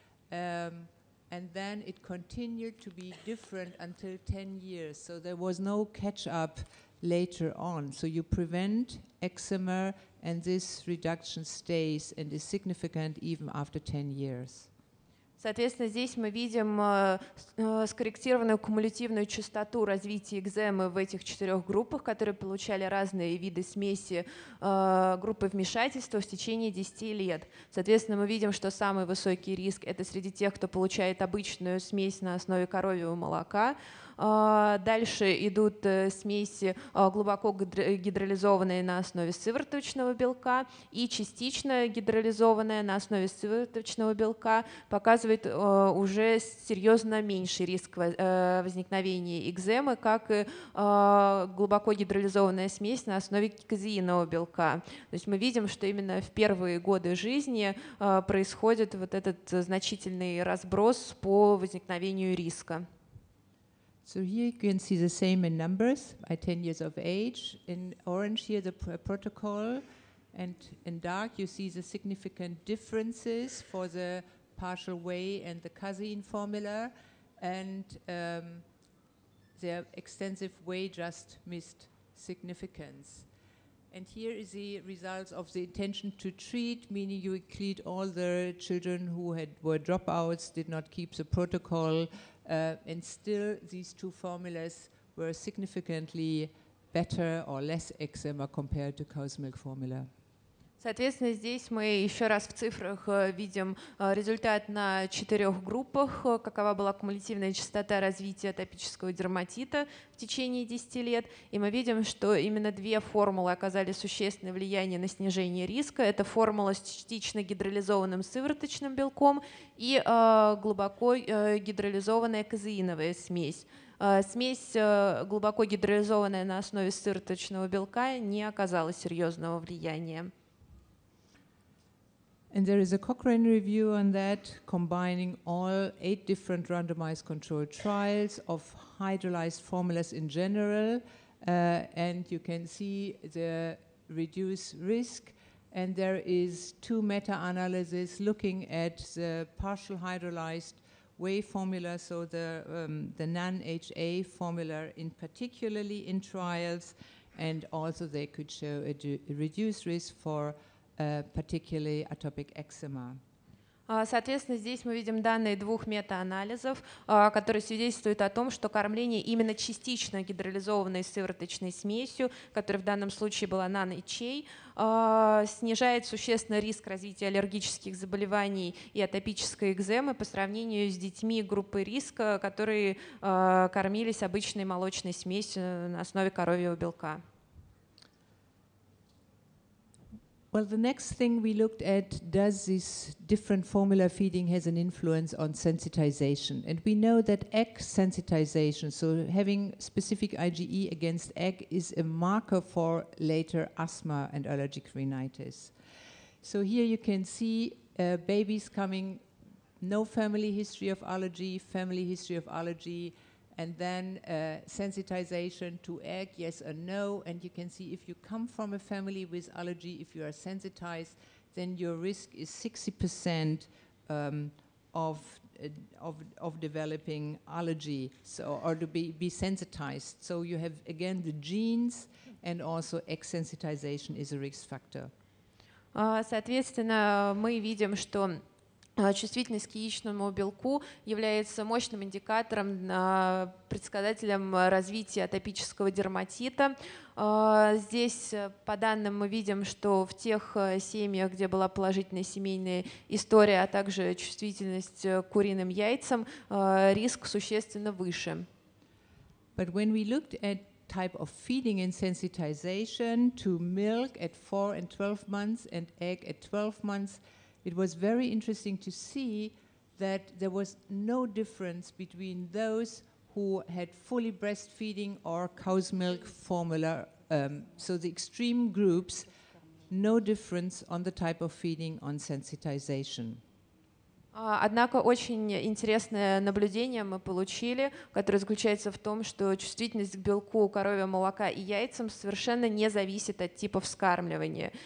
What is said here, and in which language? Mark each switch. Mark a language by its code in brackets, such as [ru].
[en] And then it continued to be different until 10 years. So there was no catch-up later on. So you prevent eczema, and this reduction stays and is significant even after 10 years. [ru] Соответственно, здесь мы видим скорректированную кумулятивную частоту развития экземы в этих четырех группах, которые получали разные виды смеси группы вмешательства в течение 10 лет. Соответственно, мы видим, что самый высокий риск — это среди тех, кто получает обычную смесь на основе коровьего молока. Дальше идут смеси глубоко гидролизованные на основе сывороточного белка и частично гидролизованные на основе сывороточного белка показывают уже серьезно меньший риск возникновения экземы, как и глубоко гидролизованная смесь на основе казеинового белка. То есть мы видим, что именно в первые годы жизни происходит вот этот значительный разброс по возникновению риска. [en] So here you can see the same in numbers by 10 years of age. In orange here the protocol, and in dark you see the significant differences for the partial whey and the casein formula, and the extensive whey just missed significance. And here is the results of the intention to treat, meaning you include all the children who had were dropouts, did not keep the protocol, and still these two formulas were significantly better or less eczema compared to cow's milk formula. [ru] Соответственно, здесь мы еще раз в цифрах видим результат на четырех группах, какова была кумулятивная частота развития атопического дерматита в течение 10 лет. И мы видим, что именно две формулы оказали существенное влияние на снижение риска. Это формула с частично гидролизованным сывороточным белком и глубоко гидролизованная казеиновая смесь. Смесь, глубоко гидролизованная на основе сывороточного белка, не оказала серьезного влияния. [en] And there is a Cochrane review on that, combining all 8 different randomized controlled trials of hydrolyzed formulas in general, and you can see the reduced risk. And there is 2 meta-analyses looking at the partial hydrolyzed whey formula, so the non-HA formula in particularly in trials, and also they could show a reduced risk for particularly atopic eczema. [ru] Соответственно, здесь мы видим данные 2 мета-анализов, которые свидетельствуют о том, что кормление именно частично гидролизованной сывороточной смесью, которая в данном случае была NaNHA, снижает существенно риск развития аллергических заболеваний и атопической экземы по сравнению с детьми группы риска, которые кормились обычной молочной смесью на основе коровьего белка. [en] Well, the next thing we looked at, does this different formula feeding has an influence on sensitization? And we know that egg sensitization, so having specific IgE against egg, is a marker for later asthma and allergic rhinitis. So here you can see babies coming, no family history of allergy, family history of allergy, and then sensitization to egg, yes or no. And you can see if you come from a family with allergy, if you are sensitized, then your risk is 60% of developing allergy, so or to be sensitized. So you have, again, the genes, and also egg sensitization is a risk factor. [ru] Соответственно, мы видим, что чувствительность к яичному белку является мощным индикатором, предсказателем развития атопического дерматита. Здесь, по данным, мы видим, что в тех семьях, где была положительная семейная история, а также чувствительность к куриным яйцам, риск существенно выше. [en] But when we looked at type of feeding and sensitization to milk at 4 and 12 months and egg at 12 months, it was very interesting to see that there was no difference between those who had fully breastfeeding or cow's milk formula. So the extreme groups, no difference on the type of feeding on sensitization. [ru] Однако очень интересное наблюдение мы получили, которое заключается в том, что чувствительность к белку коровьего молока и яйцам совершенно не зависит от типа вскармливания.